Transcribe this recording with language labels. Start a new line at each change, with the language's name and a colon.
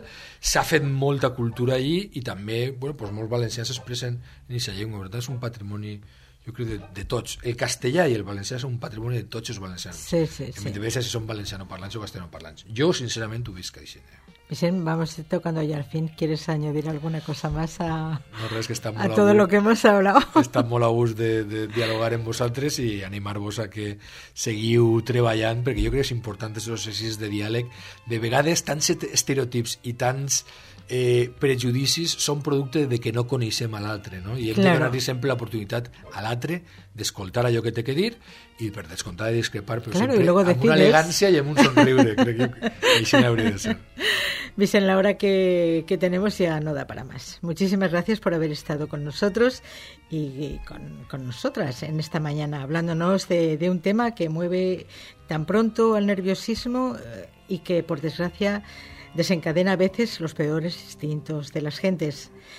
Spanish: claro.
Catalan: S'ha fet molta cultura allí i també bueno, pues molts valencians s'expressen en aquesta llengua, per tant és un patrimoni, jo crec, de tots. El castellà i el valencià són un patrimoni de tots els valencians. Sí, sí, sí.
Spanish: En vez de
Catalan: si són valencianoparlants o castellanoparlants. Jo, sincerament, ho visc així.
Spanish: Vicent, vamos tocando ya al fin. ¿Quieres añadir alguna cosa más a,
Catalan: no, res, que
Spanish: a todo lo que hemos hablado?
Catalan: Está molt a gust de dialogar amb vosaltres i animar-vos a que seguiu treballant, perquè jo crec que és important aquests exercicis de diàleg. De vegades, tants estereotips i tants prejudicis són producte de que no coneixem a l'altre, no? I hem
Spanish: claro.
Catalan: De donar-li sempre l'oportunitat a l'altre d'escoltar allò que té que dir i per descomptar de discrepar, però
Spanish: claro,
Catalan: sempre amb decides... una elegància i amb un somriure. Crec que així n'hauria de ser.
Spanish: Vicent, la hora que tenemos ya no da para más. Muchísimas gracias por haber estado con nosotros y con nosotras en esta mañana, hablándonos de un tema que mueve tan pronto al nerviosismo y que, por desgracia, desencadena a veces los peores instintos de las gentes.